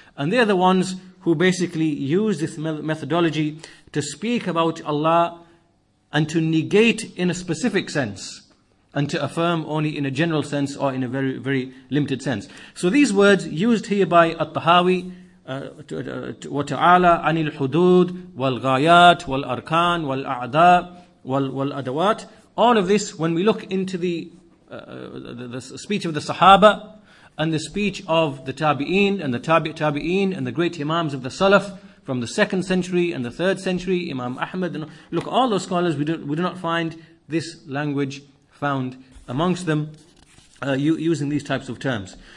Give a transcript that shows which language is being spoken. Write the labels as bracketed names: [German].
[English] And they're the ones who basically use this methodology to speak about Allah and to negate in a specific sense and to affirm only in a general sense or in a very, very limited sense. So these words used here by At-Tahawi, [Arabic] وتعالى عن الحدود والغايات والأركان والأعداء والأدوات. [English] All of this, when we look into the speech of the Sahaba and the speech of the Tabi'een and the Tabi'een and the great Imams of the Salaf from the 2nd century and the 3rd century, Imam Ahmad, and look, all those scholars, we do not find this language found amongst them using these types of terms.